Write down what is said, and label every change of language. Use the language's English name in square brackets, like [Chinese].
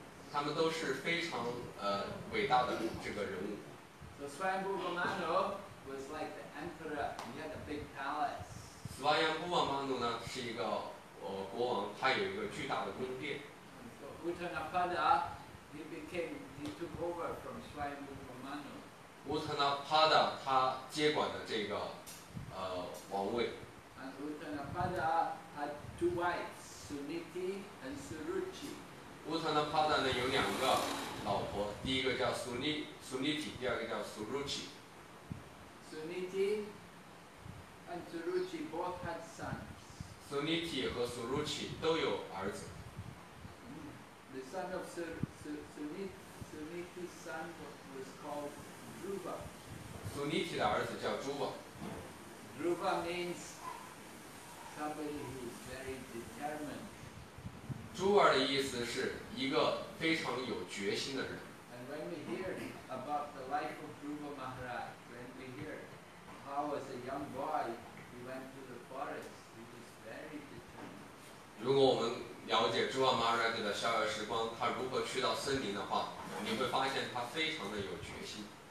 [Chinese] 他们都是非常伟大的这个人物。 [English] So Swayambhuva Manu was like the emperor. He had a big palace. [Chinese] Swayambhuva Manu 呢是一个国王，他有一个巨大的宫殿。 [English] So Uttanapada, he took over from Swayambhuva Manu. [Chinese] Uttanapada 他接管了这个王位。 [English] And Uttanapada had two wives, Suniti and Suruchi. [Chinese] Uttanapada 呢有两个老婆，第一个叫 Suniti， 第二个叫 Suruchi。 [English] Suniti and Suruchi both had sons. [Chinese] Suniti 和 Suruchi 都有儿子。 [English] The son of Suniti's son was called Dhruva. [Chinese] Suniti 的儿子叫 Dhruva. [English] Dhruva means somebody who is very determined. [Chinese] Dhruva 的意思是一个非常有决心的人。 [English] And when we hear about the life of Dhruva Maharaj, when we hear how as a young boy he went to the forest, he was very determined. [Chinese] 如果我们了解朱瓦马哈拉吉的逍遥时光，他如何去到森林的话，你会发现他非常的有决心。